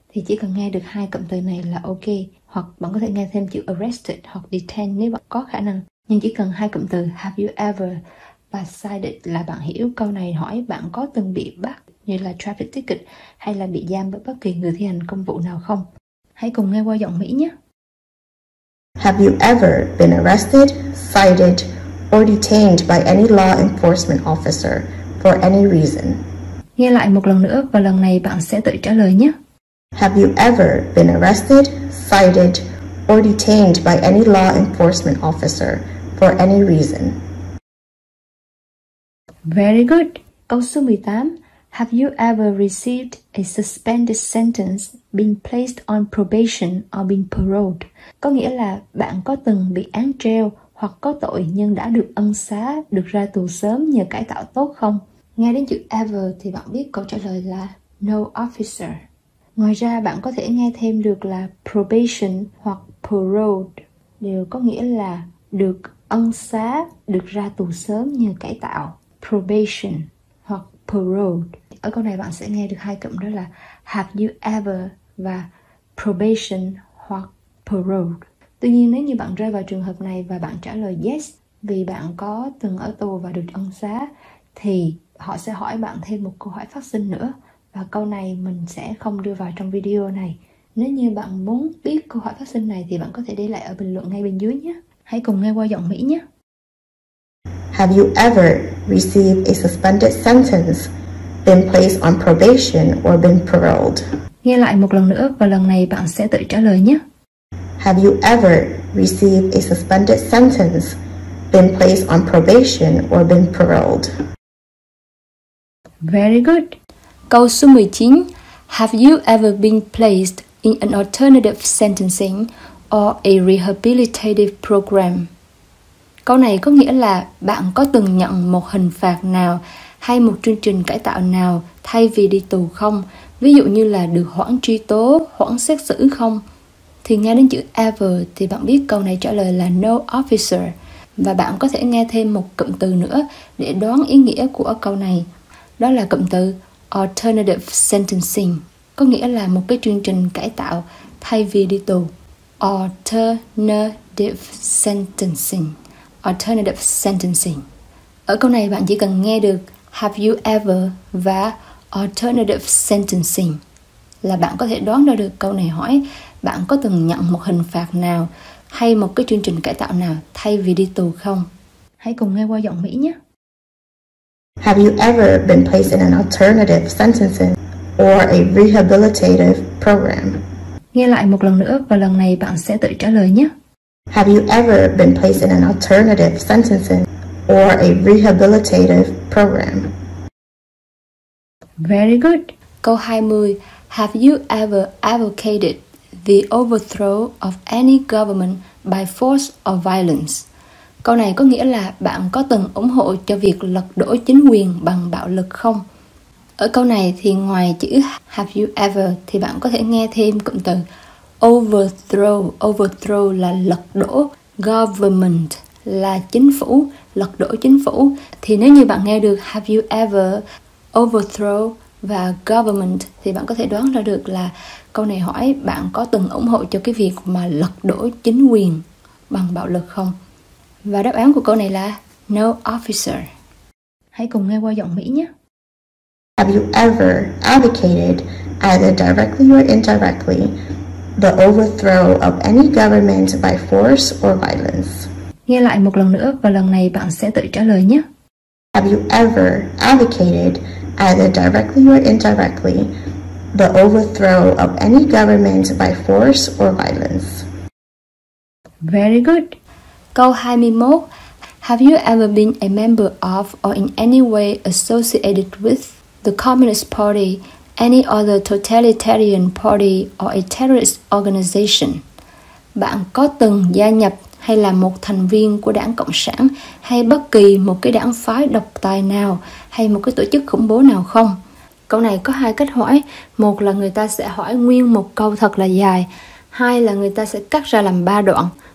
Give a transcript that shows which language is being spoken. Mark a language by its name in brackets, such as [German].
[Vietnamese] Thì chỉ cần nghe được hai cụm từ này là ok. Hoặc bạn có thể nghe thêm chữ arrested hoặc detained nếu bạn có khả năng. Nhưng chỉ cần hai cụm từ [English] have you ever [Vietnamese] và cited là bạn hiểu câu này hỏi bạn có từng bị bắt như là traffic ticket hay là bị giam bởi bất kỳ người thi hành công vụ nào không. Hãy cùng nghe qua giọng Mỹ nhé. [English] Have you ever been arrested, cited or detained by any law enforcement officer for any reason? [Vietnamese] Nghe lại một lần nữa và lần này bạn sẽ tự trả lời nhé. [English] Have you ever been arrested, cited or detained by any law enforcement officer for any reason? Very good. [Vietnamese] Câu số 18. [English] Have you ever received a suspended sentence, been placed on probation or been paroled? [Vietnamese] Có nghĩa là bạn có từng bị án treo hoặc có tội nhưng đã được ân xá, được ra tù sớm nhờ cải tạo tốt không? Nghe đến chữ ever thì bạn biết câu trả lời là [English] no officer. [Vietnamese] Ngoài ra bạn có thể nghe thêm được là probation hoặc paroled, đều có nghĩa là được ân xá, được ra tù sớm nhờ cải tạo. Probation hoặc paroled. Ở câu này bạn sẽ nghe được hai cụm đó là [English] have you ever [Vietnamese] và probation hoặc paroled. Tuy nhiên nếu như bạn rơi vào trường hợp này và bạn trả lời yes vì bạn có từng ở tù và được ân xá thì họ sẽ hỏi bạn thêm một câu hỏi phát sinh nữa. Và câu này mình sẽ không đưa vào trong video này. Nếu như bạn muốn biết câu hỏi phát sinh này thì bạn có thể để lại ở bình luận ngay bên dưới nhé. Hãy cùng nghe qua giọng Mỹ nhé. [English] Have you ever received a suspended sentence, been placed on probation or been paroled? [Vietnamese] Nghe lại một lần nữa và lần này bạn sẽ tự trả lời nhé. [English] Have you ever received a suspended sentence, been placed on probation or been paroled? Very good. [Vietnamese] Câu số 19. [English] Have you ever been placed in an alternative sentencing or a rehabilitative program? [Vietnamese] Câu này có nghĩa là bạn có từng nhận một hình phạt nào hay một chương trình cải tạo nào thay vì đi tù không? Ví dụ như là được hoãn truy tố, hoãn xét xử không? Thì nghe đến chữ ever thì bạn biết câu này trả lời là [English] no officer. [Vietnamese] Và bạn có thể nghe thêm một cụm từ nữa để đoán ý nghĩa của câu này. Đó là cụm từ alternative sentencing, có nghĩa là một cái chương trình cải tạo thay vì đi tù. [English] Alternative sentencing. Alternative sentencing. [Vietnamese] Ở câu này bạn chỉ cần nghe được [English] have you ever [Vietnamese] và alternative sentencing là bạn có thể đoán ra được câu này hỏi bạn có từng nhận một hình phạt nào hay một cái chương trình cải tạo nào thay vì đi tù không. Hãy cùng nghe qua giọng Mỹ nhé. [English] Have you ever been placed in an alternative sentencing or a rehabilitative program? [Vietnamese] Nghe lại một lần nữa và lần này bạn sẽ tự trả lời nhé. [English] Have you ever been placed in an alternative sentencing or a rehabilitative program? Very good. [Vietnamese] Câu 20. [English] Have you ever advocated the overthrow of any government by force or violence? [Vietnamese] Câu này có nghĩa là bạn có từng ủng hộ cho việc lật đổ chính quyền bằng bạo lực không? Ở câu này thì ngoài chữ [English] have you ever [Vietnamese] thì bạn có thể nghe thêm cụm từ overthrow. Overthrow là lật đổ, government là chính phủ, lật đổ chính phủ. Thì nếu như bạn nghe được [English] have you ever, [Vietnamese] overthrow và government thì bạn có thể đoán ra được là câu này hỏi bạn có từng ủng hộ cho cái việc mà lật đổ chính quyền bằng bạo lực không? Và đáp án của câu này là [English] no officer. [Vietnamese] Hãy cùng nghe qua giọng Mỹ nhé. [English] Have you ever advocated, either directly or indirectly, the overthrow of any government by force or violence? [Vietnamese] Nghe lại một lần nữa và lần này bạn sẽ tự trả lời nhé. [English] Have you ever advocated, either directly or indirectly, the overthrow of any government by force or violence? Very good. [Vietnamese] Câu 21. [English] Have you ever been a member of or in any way associated with the Communist Party, any other totalitarian party or a terrorist organization? [Vietnamese] Bạn có từng gia nhập hay là một thành viên của đảng Cộng sản hay bất kỳ một cái đảng phái độc tài nào hay một cái tổ chức khủng bố nào không? Câu này có hai cách hỏi. Một là người ta sẽ hỏi nguyên một câu thật là dài. Hai là người ta sẽ cắt ra làm ba đoạn.